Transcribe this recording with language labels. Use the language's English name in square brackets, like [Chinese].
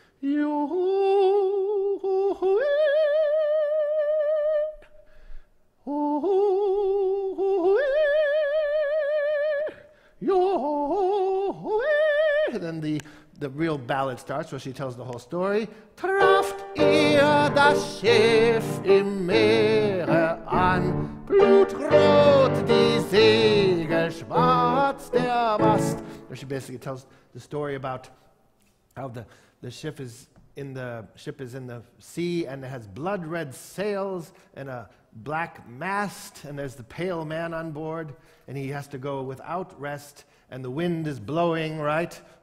[English] Then the real ballad starts where she tells the whole story. [German] Traft ihr das Schiff im Meere an, blutrot die Segel, schwarz der Mast. [English] There she basically tells the story about how the ship is in the sea and it has blood red sails and a black mast, and there's the pale man on board, and he has to go without rest, and the wind is blowing, right?